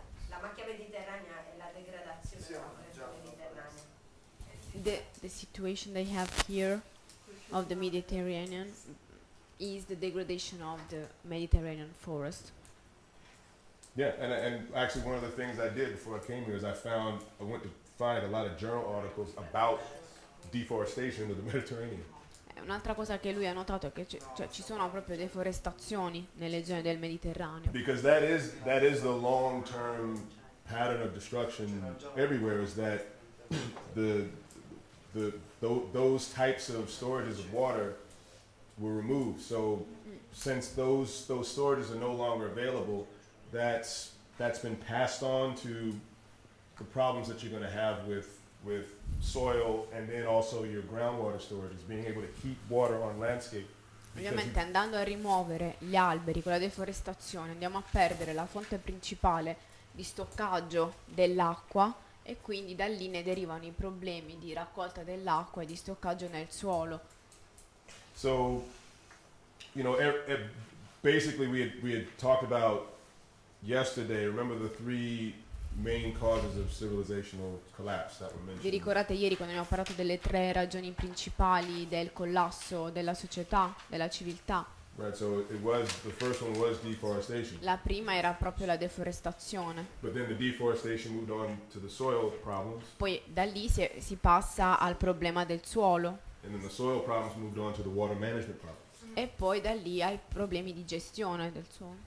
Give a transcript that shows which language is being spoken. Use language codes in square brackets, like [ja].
[it] la macchia mediterranea è la degradazione della macchia mediterranea. [en] The situation they have here of the Mediterranean is the degradation of the Mediterranean forest. Yeah, and actually one of the things I did before I came here is I went to find a lot of journal articles about deforestation of the Mediterranean. [it] Un'altra cosa che lui ha notato è che ci sono proprio deforestazioni nelle zone del Mediterraneo. [en] Because that is the long-term pattern of destruction everywhere, is that those types of storages of water were removed. So since those storages are no longer available, that's been passed on to the problems that you're going to have with soil and then also your groundwater storage, is being able to keep water on landscape. [it] Ovviamente andando a rimuovere gli alberi con la deforestazione andiamo a perdere la fonte principale di stoccaggio dell'acqua, e quindi da lì ne derivano i problemi di raccolta dell'acqua e di stoccaggio nel suolo. [en] So, you know, basically we had talked about yesterday, remember the three main causes of civilizational collapse that were mentioned. [it] Vi ricordate ieri quando abbiamo parlato delle tre ragioni principali del collasso della società, della civiltà? [en] Right, so it was, the first one was deforestation. [it] La prima era proprio la deforestazione. [en] But then the deforestation moved on to the soil problems. [it] Poi da lì si passa al problema del suolo. [en] And then the soil problems moved on to the water management problems. [it] E poi da lì ai problemi di gestione del suolo.